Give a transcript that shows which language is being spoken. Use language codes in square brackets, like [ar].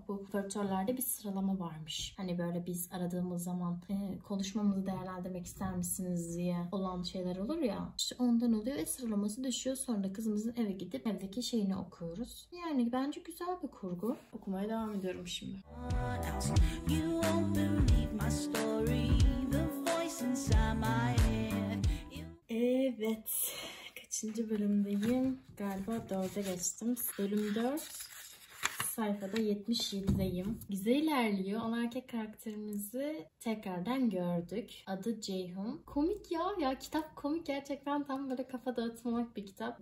[tr] Bu operatörlerde bir sıralama varmış. Hani böyle biz aradığımız zaman konuşmamızı değerlendirmek ister misiniz diye olan şeyler olur ya. İşte ondan oluyor ve sıralaması düşüyor. Sonra da kızımızın eve gidip evdeki şeyini okuyoruz. Yani bence güzel bir kurgu. Okumaya devam ediyorum şimdi. [en] You won't believe my story, the voice inside my head. [tr] Evet, kaçıncı bölümdeyim? Galiba 4'e geçtim. Bölüm 4, sayfada 77'deyim. Güzel ilerliyor. Ana erkek karakterimizi tekrardan gördük. Adı Ceyhun. Komik ya. Ya kitap komik gerçekten. Tam böyle kafa dağıtmak bir kitap.